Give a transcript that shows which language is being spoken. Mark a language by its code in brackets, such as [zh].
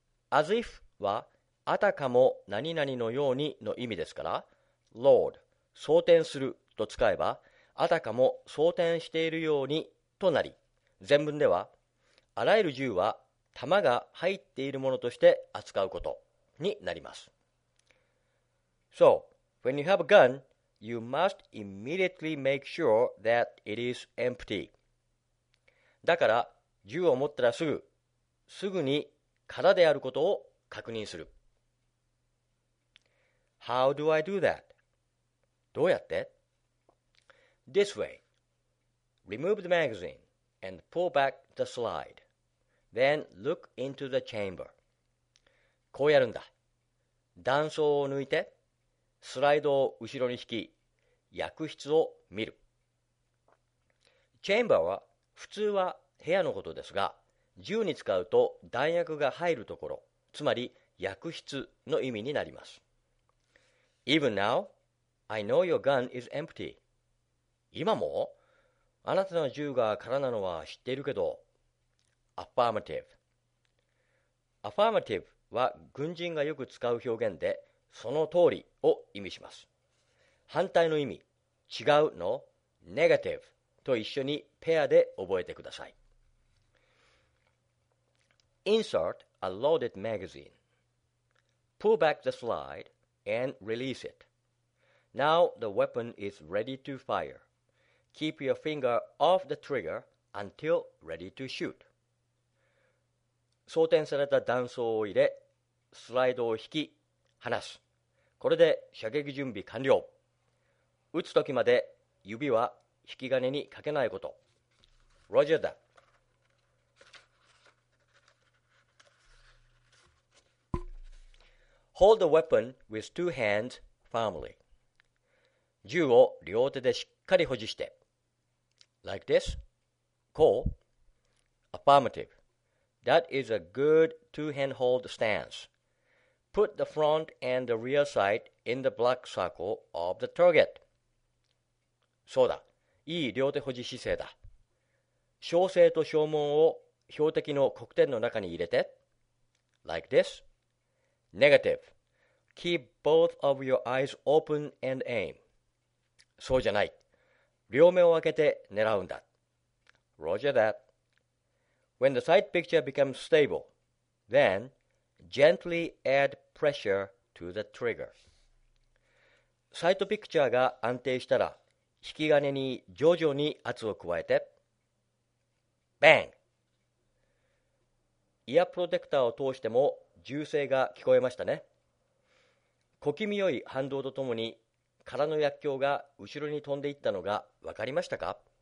[ja] As if はあたかも何々のようにの意味ですから、 load、 装填すると使えば、あたかも装填しているようにとなり、全文ではあらゆる銃は弾が入っているものとして扱うことになります。 [en] So, when you have a gun, you must immediately make sure that it is empty。 [ja] だから銃を持ったらすぐに空であることを確認する。 [en] How do I do that? [ja] どうやって？ [en] This way. Remove the magazine and pull back the slide. Then look into the chamber. [ja] こうやるんだ。弾倉を抜いて、スライドを後ろに引き、薬室を見る。チェンバーは普通は部屋のことですが、銃に使うと弾薬が入るところ、つまり薬室の意味になります。 [en] Even now, I know your gun is empty. [ja] 今も？あなたの銃が空なのは知っているけど。 Affirmative。 Affirmative は軍人がよく使う表現で、その通りを意味します。反対の意味、違うの Negative と一緒にペアで覚えてください。 [en] Insert a loaded magazine. Pull back the slide and release it. Now the weapon is ready to fire. Keep your finger off the trigger until ready to shoot. [ja] 装填された弾倉を入れ、スライドを引き、離す。これで射撃準備完了。撃つときまで指は引き金にかけないこと。 [en] Roger that. Hold the weapon with two hands firmly. [ja] 銃を両手でしっかり保持して、 [en] Like this? [ja] こう?Affirmative. [en] That is a good two-hand hold stance. Put the front and the rear sight in the black circle of the target. [ja] そうだ。いい両手保持姿勢だ。小声と小問を標的の黒点の中に入れて。 [en] Like this. Negative. Keep both of your eyes open and aim. [ja] そうじゃない。両目を開けて狙うんだ。 [en] Roger that. When the sight picture becomes stable, then gently add pressure to the trigger. [ja] サイトピクチャーが安定したら、引き金に徐々に圧を加えて。 [en] Bang! [ja] イヤープロテクターを通しても銃声が聞こえましたね。小気味よい反動とともに、空の薬莢が後ろに飛んでいったのが分かりましたか？